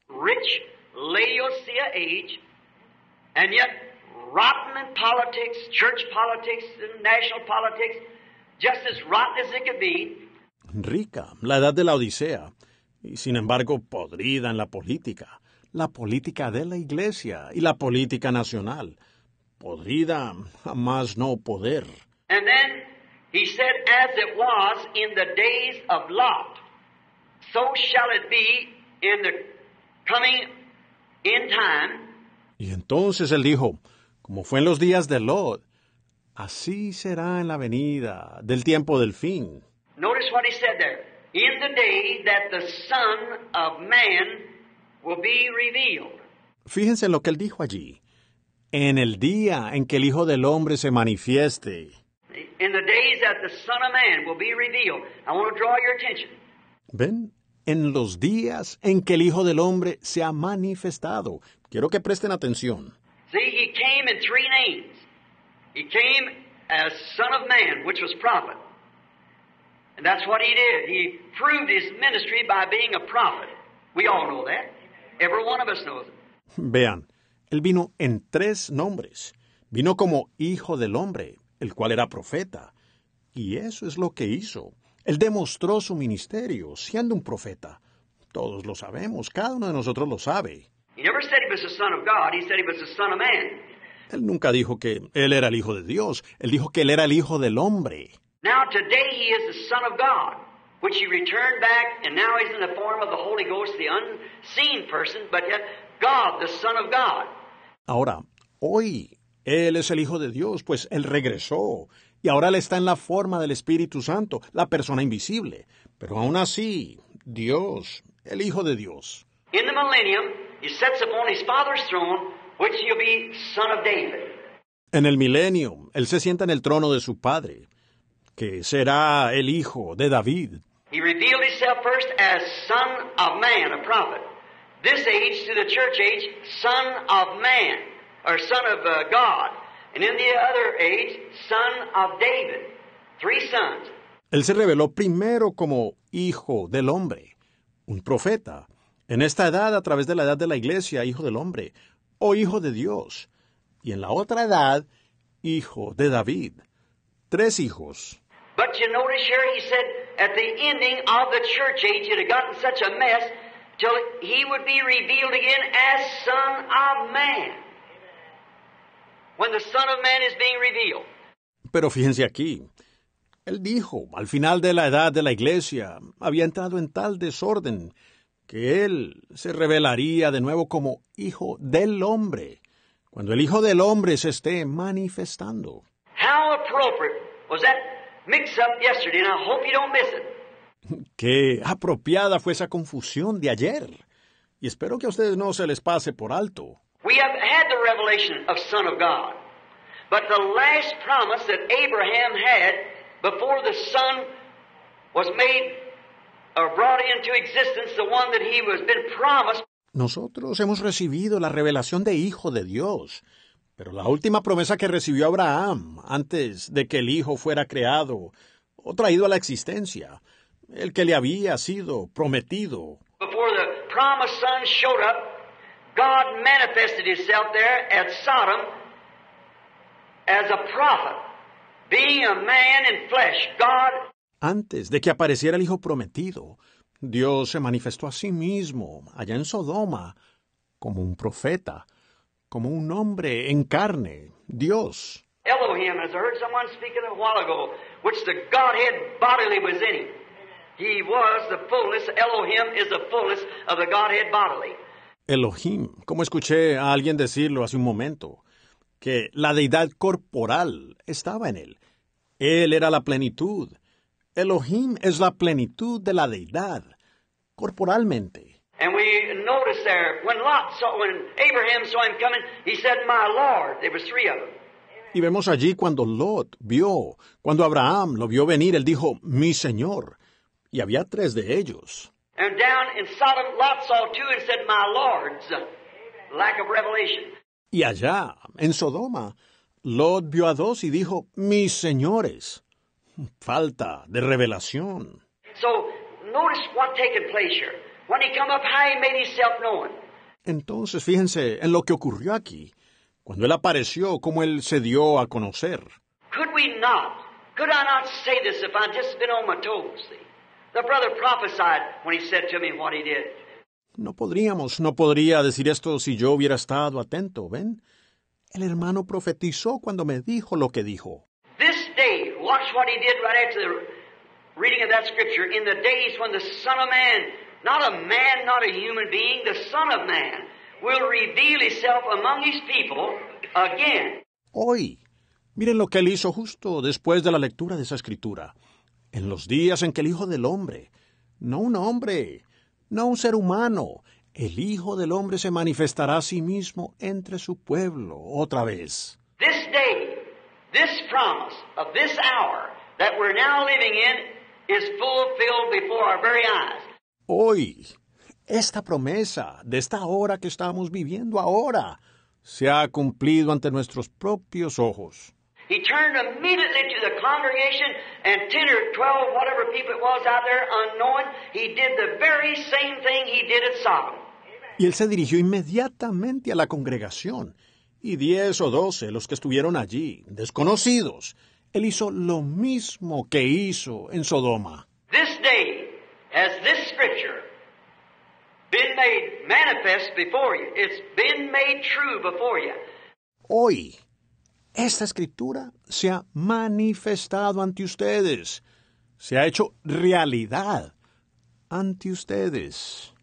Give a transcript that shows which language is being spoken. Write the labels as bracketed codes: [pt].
[en] Rich Laodicea age, and yet rotten in politics, church politics, and national politics, just as rotten as it could be. [es] Rica, la edad de la Odisea, y sin embargo podrida en la política de la iglesia y la política nacional, podrida a más no poder. [en] And then he said, as it was in the days of Lot, so shall it be in the coming in time. [es] Y entonces él dijo, como fue en los días de Lot, así será en la venida del tiempo del fin. [en] Notice what he said there. In the day that the Son of Man will be revealed. [es] Fíjense en lo que él dijo allí. En el día en que el Hijo del Hombre se manifieste. [en] In the days that the Son of Man will be revealed. I want to draw your attention. [es] ¿Ven? En los días en que el Hijo del Hombre se ha manifestado. Quiero que presten atención. [en] See, he came in three names. He came as Son of Man, which was prophet. And that's what he did. He proved his ministry by being a prophet. We all know that. Every one of us knows it. [es] Vean, él vino en tres nombres. Vino como Hijo del Hombre, el cual era profeta. Y eso es lo que hizo. Él demostró su ministerio siendo un profeta. Todos lo sabemos. Cada uno de nosotros lo sabe. [en] He never said he was the Son of God. He said he was the Son of Man. [es] Él nunca dijo que él era el Hijo de Dios. Él dijo que él era el Hijo del Hombre. [en] Now today he is the Son of God, which he returned back, and now he's in the form of the Holy Ghost, the unseen person, but yet God, the Son of God. [es] Ahora, hoy, él es el Hijo de Dios, pues él regresó, y ahora él está en la forma del Espíritu Santo, la persona invisible. Pero aún así, Dios, el Hijo de Dios. [en] In the millennium, he sets upon his father's throne, which he'll be Son of David. [es] En el milenio, él se sienta en el trono de su padre, que será el Hijo de David. [en] He revealed himself first as Son of Man, a prophet. This age to the church age, Son of Man, or Son of God. And in the other age, Son of David. Three sons. [es] Él se reveló primero como hijo del hombre, un profeta. En esta edad, a través de la edad de la iglesia, hijo del hombre, o hijo de Dios. Y en la otra edad, hijo de David. Tres hijos. [en] But you notice here he said at the ending of the church age it had gotten such a mess till he would be revealed again as Son of Man. When the Son of Man is being revealed. [es] Pero fíjense aquí. Él dijo, al final de la edad de la iglesia, había entrado en tal desorden que él se revelaría de nuevo como hijo del hombre, cuando el hijo del hombre se esté manifestando. [en] How appropriate was that mix up yesterday, and I hope you don't miss it. [es] Qué apropiada fue esa confusión de ayer, y espero que a ustedes no se les pase por alto. [en] We have had the revelation of Son of God, but the last promise that Abraham had before the Son was made or brought into existence, the one that he was been promised. [es] Nosotros hemos recibido la revelación de Hijo de Dios, pero la última promesa que recibió Abraham antes de que el Hijo fuera creado o traído a la existencia, el que le había sido prometido. [en] Before the promised Son showed up, God manifested himself there at Sodom as a prophet. Being a man in flesh, God. [es] Antes de que apareciera el Hijo Prometido, Dios se manifestó a sí mismo allá en Sodoma como un profeta, como un hombre en carne, Dios. [en] Elohim, as I heard someone speaking a while ago, which the Godhead bodily was in him. He was the fullness. Elohim is the fullness of the Godhead bodily. [es] Elohim, como escuché a alguien decirlo hace un momento, que la deidad corporal estaba en él. Él era la plenitud. Elohim es la plenitud de la deidad, corporalmente. [en] And we notice there, when Abraham saw him coming, he said, my Lord, there were three of them. [es] Y vemos allí cuando Lot vio, cuando Abraham lo vio venir, él dijo, mi Señor, y había tres de ellos. [en] And down in Sodom, Lot saw two and said, my Lord's lack of revelation. [es] Y allá, en Sodoma, Lot vio a dos y dijo, mis señores, falta de revelación. [en] So, notice what taken place here. When he come up high, he made himself known. [es] Entonces, fíjense en lo que ocurrió aquí. Cuando él apareció, cómo él se dio a conocer. [en] Could we not? Could I not say this if I'd just been on my toes? The brother prophesied when he said to me what he did. [es] No podría decir esto si yo hubiera estado atento, ¿ven? El hermano profetizó cuando me dijo lo que dijo. [en] This day, watch what he did right after the reading of that scripture, in the days when the Son of Man, not a human being, the Son of Man, will reveal himself among his people again. [es] Hoy, miren lo que él hizo justo después de la lectura de esa escritura. En los días en que el Hijo del Hombre, no un hombre, no un ser humano, el Hijo del Hombre se manifestará a sí mismo entre su pueblo otra vez. [en] This day, this promise of this hour that we're now living in is fulfilled before our very eyes. [es] Hoy, esta promesa de esta hora que estamos viviendo ahora se ha cumplido ante nuestros propios ojos. [en] He turned immediately to the congregation and 10 or 12, whatever people it was out there, unknowing, he did the very same thing he did at Sodom. Amen. [es] Y él se dirigió inmediatamente a la congregación, y 10 o 12, los que estuvieron allí, desconocidos, él hizo lo mismo que hizo en Sodoma. [en] This day has this scripture been made manifest before you. It's been made true before you. [es] Hoy, esta escritura se ha manifestado ante ustedes. Se ha hecho realidad ante ustedes.